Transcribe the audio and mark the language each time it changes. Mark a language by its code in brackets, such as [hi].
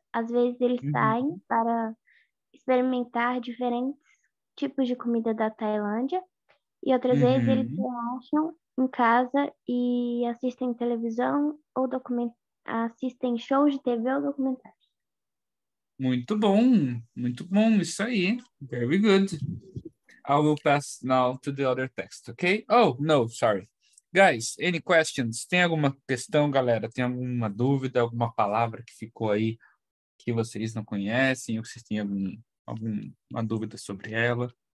[pt] Às vezes, eles saem para experimentar diferentes tipos de comida da Tailândia. E outras vezes, eles se acham em casa e assistem televisão ou assistem shows de TV ou documentários. Muito bom, isso aí. [en] Very good. I will pass now to the other text, okay? Oh, no, sorry. Guys, any questions? [pt] Tem alguma questão, galera? Tem alguma dúvida, alguma palavra que ficou aí que vocês não conhecem ou que vocês têm alguma dúvida sobre ela?